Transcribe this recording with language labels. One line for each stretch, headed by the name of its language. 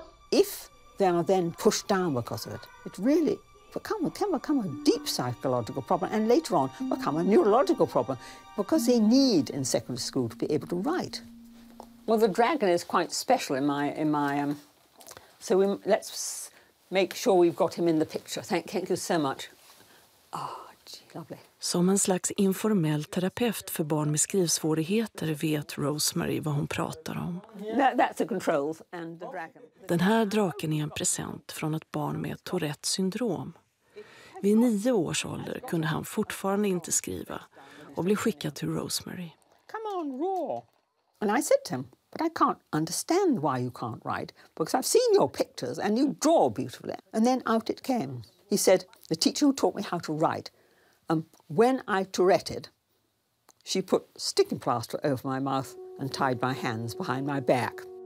English: If they are then pushed down because of it, it really can become a deep psychological problem and later on become a neurological problem because they need in secondary school to be able to write. Well, the dragon is quite special in my so let's make sure we've got him in the picture. Thank you so much. Oh, gee, lovely.
Swedish: Som en slags informell terapeut för barn med skrivsvårigheter vet Rosemary vad hon pratar om.
English: That's the controls and the dragon.
Swedish: Den här draken är en present från ett barn med Tourettes syndrom. Vid 9 års ålder kunde han fortfarande inte skriva och blev skickad till Rosemary.
English: Come on, roar. And I said to him, but I can't understand why you can't write, because I've seen your pictures and you draw beautifully. And then out it came. He said, the teacher who taught me how to write, when I Tourette'd, she put sticking plaster over my mouth and tied my hands behind my back.